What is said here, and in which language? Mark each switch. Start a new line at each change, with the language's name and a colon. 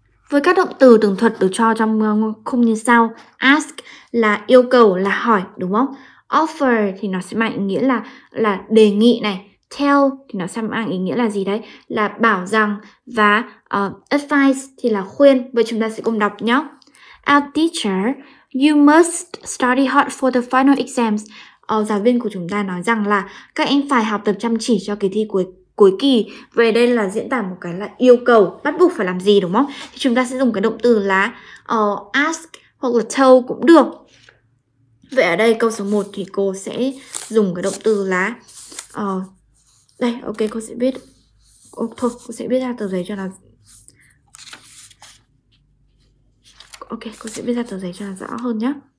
Vietnamese: Với các động từ tường thuật được cho trong khung như sau, ask là yêu cầu, là hỏi đúng không, offer thì nó sẽ mang ý nghĩa là đề nghị này, tell thì nó sẽ mang ý nghĩa là gì đấy, là bảo rằng, và advise thì là khuyên. Vậy chúng ta sẽ cùng đọc nhé.
English: Our teacher, you must study hard for the final exams.
Vietnamese: Giáo viên của chúng ta nói rằng là các em phải học tập chăm chỉ cho kỳ thi cuối kỳ. Về đây là diễn tả một cái là yêu cầu, bắt buộc phải làm gì đúng không, thì chúng ta sẽ dùng cái động từ là ask hoặc là tell cũng được. Vậy ở đây câu số 1 thì cô sẽ dùng cái động từ là đây, ok, cô sẽ biết, oh, thôi, cô sẽ viết ra tờ giấy cho là ok, cô sẽ viết ra tờ giấy cho là rõ hơn nhá.